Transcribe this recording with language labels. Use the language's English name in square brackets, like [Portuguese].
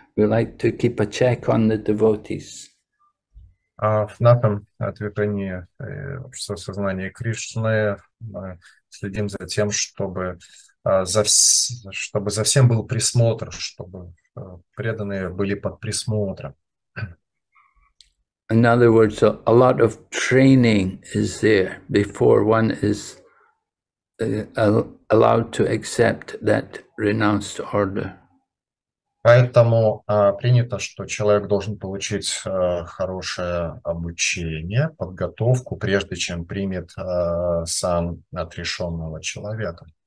[English] We like to keep a check on the devotees. [Russian] В нашем движении общества сознания Кришны мы следим за тем, чтобы за всем был присмотр, чтобы преданные были под присмотром. [English] In other words, a lot of training is there before one is allowed to accept that renounced order. [Russian] Поэтому принято, что человек должен получить хорошее обучение, подготовку, прежде чем примет сан отрешенного человека.